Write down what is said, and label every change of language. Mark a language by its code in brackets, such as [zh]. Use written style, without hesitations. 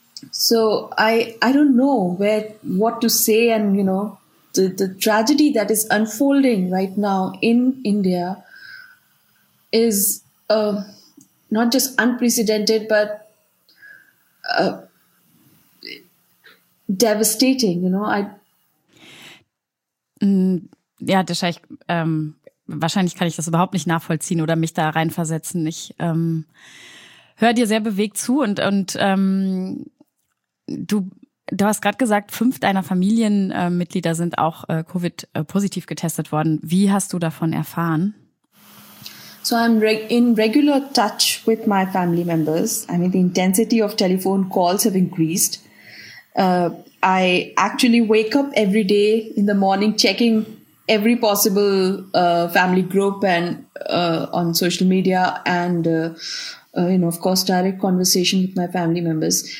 [en] So I don't know what to say, and you know, the tragedy that is unfolding right now in India is not just unprecedented but devastating. You know, [de] wahrscheinlich kann ich das überhaupt nicht nachvollziehen oder mich da reinversetzen. Ich höre dir sehr bewegt zu und du hast gerade gesagt, 5 deiner Familienmitglieder sind auch Covid-positiv getestet worden. Wie hast du davon erfahren? [en] So I'm in regular touch with my family members. I mean, the intensity of telephone calls have increased. I actually wake up every day in the morning checking every possible family group and on social media and you know, of course, direct conversation with my family members.